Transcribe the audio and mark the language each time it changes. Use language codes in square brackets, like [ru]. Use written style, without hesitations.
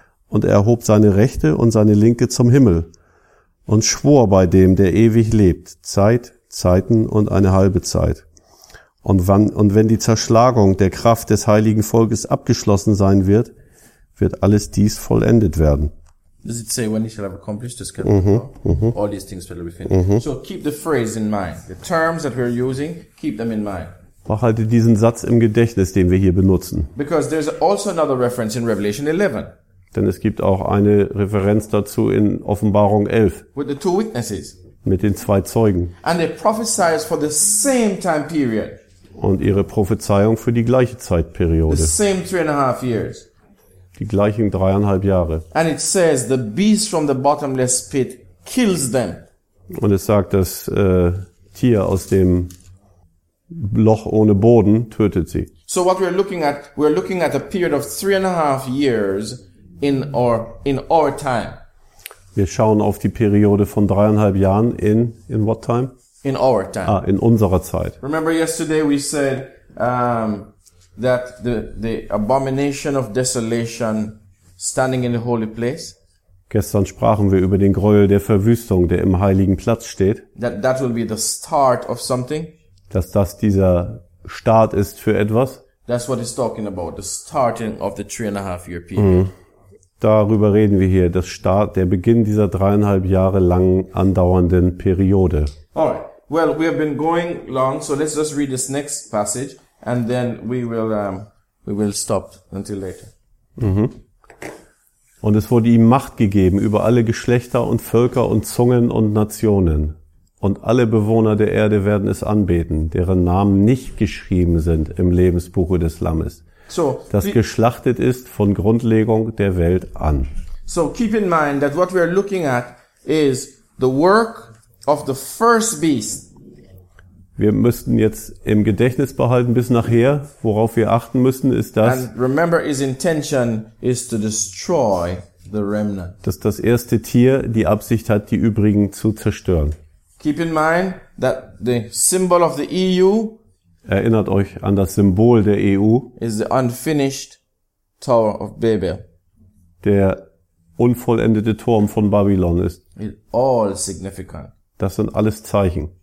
[de] Und er erhob seine rechte und seine linke zum Himmel. Und schwor bei dem, der ewig lebt, Zeit, Zeiten und eine halbe Zeit. Und wenn die Zerschlagung der Kraft des heiligen Volkes abgeschlossen sein wird, wird alles dies vollendet werden. [en] Does it say when he shall have accomplished this kind of power? All these things shall be finished. Mm-hmm. So keep the phrase in mind. The terms that we're using, keep them in mind. [de] Behalte diesen Satz im Gedächtnis, den wir hier benutzen. [en] Because there's also another reference in Revelation 11. [de] Denn es gibt auch eine Referenz dazu in Offenbarung 11. [en] With the two witnesses. [de] Mit den zwei Zeugen. [en] And they prophesy for the same time period. [de] Und ihre Prophezeiung für die gleiche Zeitperiode. [en] The same 3.5 years. [de] Die gleichen 3.5 Jahre. [en] And it says the beast from the bottomless pit kills them. [de] Und es sagt, das Tier aus dem Loch ohne Boden tötet sie. [en] So what we're looking at a period of 3.5 years in our time. [de] Wir schauen auf die Periode von 3.5 Jahren in what time? [en] In our time. [de] Ah, in unserer Zeit. [en] Remember yesterday we said that the abomination of desolation standing in the holy place. [de] Gestern sprachen wir über den Gräuel der Verwüstung, der im heiligen Platz steht. [en] That will be the start of something. [de] Dass das dieser Start ist für etwas. [en] That's what he's talking about, the starting of the 3.5 year period. [de] Darüber reden wir hier, das Start, der Beginn dieser 3.5 Jahre lang andauernden Periode. [en] Alright, well, we have been going long, so let's just read this next passage and then we will stop until later. Mhm. [de] Und es wurde ihm Macht gegeben über alle Geschlechter und Völker und Zungen und Nationen. Und alle Bewohner der Erde werden es anbeten, deren Namen nicht geschrieben sind im Lebensbuche des Lammes, so, das geschlachtet ist von Grundlegung der Welt an. [en] So keep in mind that what we are looking at is the work of the first beast. [de] Wir müssten jetzt im Gedächtnis behalten bis nachher, worauf wir achten müssen, ist das. [en] And remember, his intention is to destroy the remnant. [de] Dass das erste Tier die Absicht hat, die übrigen zu zerstören. [en] Keep in mind that the symbol of the EU. [de] Erinnert euch an das Symbol der EU. [en] Is the unfinished Tower of Babel. [de] Der unvollendete Turm von Babylon ist. [en] It's all significant. [de] Das sind alles Zeichen.